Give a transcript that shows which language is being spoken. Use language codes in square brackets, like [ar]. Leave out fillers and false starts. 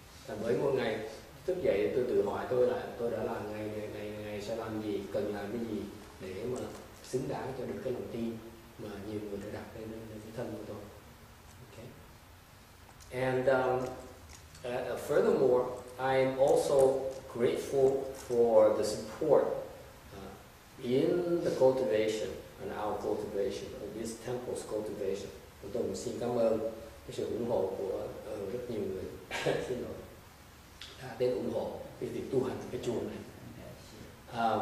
[vi] Và mỗi một ngày thức dậy tôi tự hỏi tôi là tôi đã làm ngày sẽ làm gì, cần làm cái gì để mà xứng đáng cho được cái lòng tin mà nhiều người đã đặt lên cái thân của tôi. [en] Okay. And furthermore, I am also grateful for the support in the cultivation and our cultivation of this temple's cultivation. [vi] Tôi cũng xin cảm ơn cái sự ủng hộ của rất nhiều người xin lỗi đã đến ủng hộ cái việc tu hành cái chùa này.